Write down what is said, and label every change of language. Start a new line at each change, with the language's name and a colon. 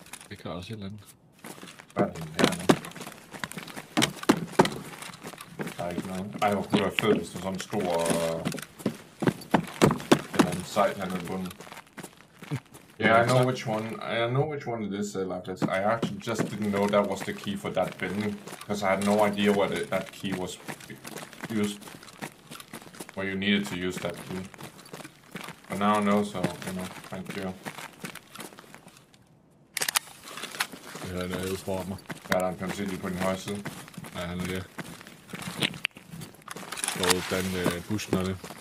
Danish: Det kan også et eller andet. Hvad er det her? Ej, hvor kunne det være fedt, hvis det var sådan en stor sejt her nede i bunden.
English: Yeah, I know which one it is, Lifeless. I actually just didn't know that was the key for that building. Because I had no idea what that key was used. Where you needed to use that key. But now I know, so, you know, thank you.
Danish: Ja, det er jo smart, man. Ja, der er en pensil på den høje side. Ja, han er der. Og den busken er det.